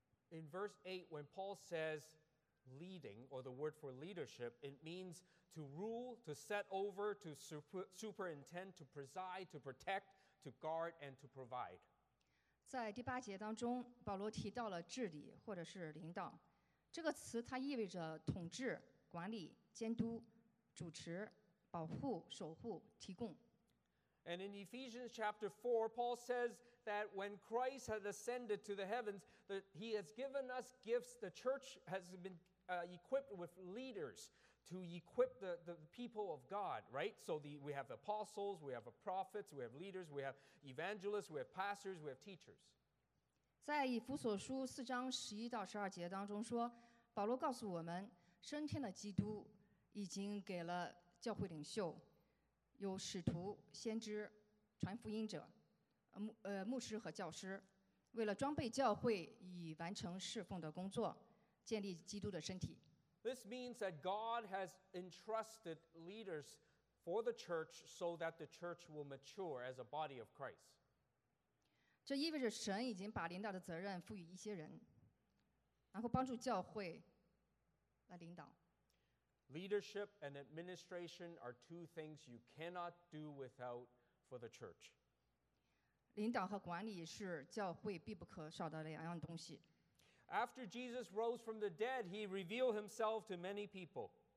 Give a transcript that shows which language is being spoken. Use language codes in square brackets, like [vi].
[en] In verse 8, when Paul says leading, or the word for leadership, it means to rule, to set over, to superintend, to preside, to protect, to guard, and to provide. [zh] 在第八节当中，保罗提到了治理或者是领导。这个词它意味着统治、管理、监督、主持、保护、守护、提供。 [en] And in Ephesians chapter 4, Paul says that when Christ had ascended to the heavens, that he has given us gifts, the church has been equipped with leaders to equip the people of God, right? So we have apostles, we have prophets, we have leaders, we have evangelists, we have pastors, we have teachers. [zh] 在以弗所书四章十一到十二节当中说，保罗告诉我们，升天的基督已经给了教会领袖。有使徒、先知、传福音者、牧师和教师，为了装备教会以完成侍奉的工作，建立基督的身体。 [en] This means that God has entrusted leaders for the church so that the church will mature as a body of Christ. [zh] 这意味着神已经把领导的责任赋予一些人，然后帮助教会来领导。 [en] Leadership and administration are two things you cannot do without for the church. [zh] 领导和管理是教会必不可少的两样东西。 [en] After Jesus rose from the dead, he revealed himself to many people.